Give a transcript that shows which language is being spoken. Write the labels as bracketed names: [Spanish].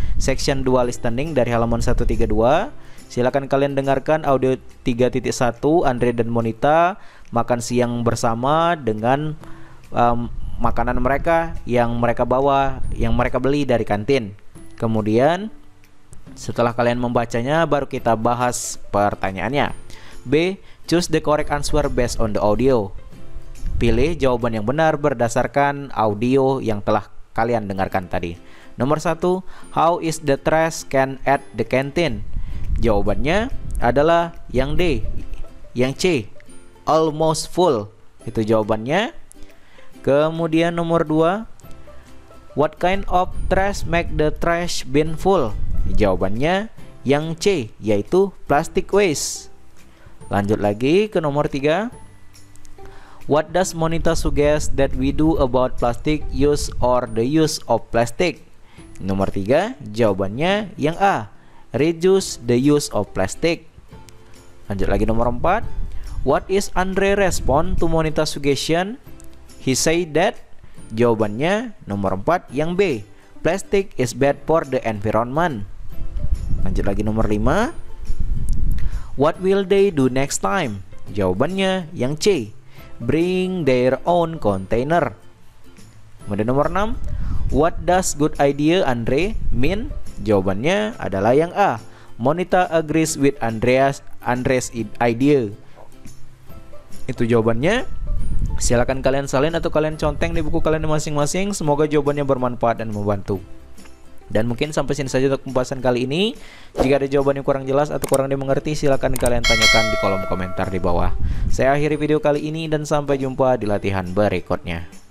[Indonesian] Section 2 listening dari halaman 132. Silakan kalian dengarkan audio 3.1 Andre dan Monita makan siang bersama dengan makanan mereka yang mereka bawa, yang mereka beli dari kantin. Kemudian setelah kalian membacanya, baru kita bahas pertanyaannya. B. [English] Choose the correct answer based on the audio. [Indonesian] Pilih jawaban yang benar berdasarkan audio yang telah kalian dengarkan tadi. Nomor 1, [English] how is the trash can at the canteen? [Indonesian] Jawabannya adalah yang D, yang C, [English] almost full. [Indonesian] Itu jawabannya. Kemudian nomor 2, [English] what kind of trash make the trash bin full? [Indonesian] Jawabannya yang C, yaitu [English] plastic waste. [Indonesian] Lanjut lagi ke nomor 3, [English] what does Monita suggest that we do about plastic use or the use of plastic? [Indonesian] Nomor 3, jawabannya yang A, [English] reduce the use of plastic. [Indonesian] Lanjut lagi nomor 4, [English] what is Andre respond to Monita's suggestion? He say that, [Indonesian] jawabannya nomor 4 yang B, [English] plastic is bad for the environment. [Indonesian] Lanjut lagi nomor 5, [English] what will they do next time? [Indonesian] Jawabannya yang C, [English] bring their own container. [Indonesian] Kemudian nomor 6, [English] what does good idea Andre mean? [Indonesian] Jawabannya adalah yang A, [English] Monita agrees with Andre's idea. [Indonesian] Itu jawabannya. Silakan kalian salin atau kalian conteng di buku kalian masing-masing. Semoga jawabannya bermanfaat dan membantu. Dan mungkin sampai sini saja untuk pembahasan kali ini. Jika ada jawaban yang kurang jelas atau kurang dimengerti, silakan kalian tanyakan di kolom komentar di bawah. Saya akhiri video kali ini dan sampai jumpa di latihan berikutnya.